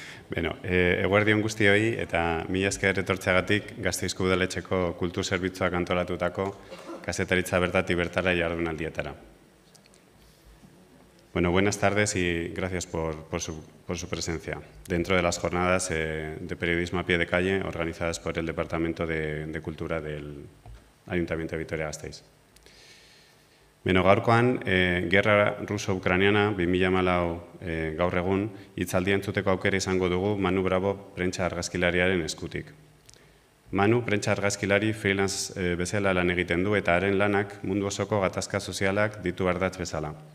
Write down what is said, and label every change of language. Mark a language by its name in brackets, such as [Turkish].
[Basque] Bueno, eguerdi on guztioi eta mila esker etortzeagatik Gasteizko udaletxeko kultur zerbitzuak antolatutako kazetaritza bertatik bertara jardunaldietara. [Spanish] Bueno, buenas tardes y gracias por su presencia dentro de las jornadas de periodismo a pie de calle organizadas por el Departamento de Cultura del Ayuntamiento de Vitoria-Gasteiz. [Basque] Beno, gaurkoan, gerra ruso-ukraniana, 2014 gaur egun, hitzaldi entzuteko aukera izango dugu Manu Bravo prentsa argazkilariaren eskutik. Manu prentsa argazkilari freelance bezala lan egiten du eta haren lanak mundu osoko gatazka sozialak ditu ardatz bezala.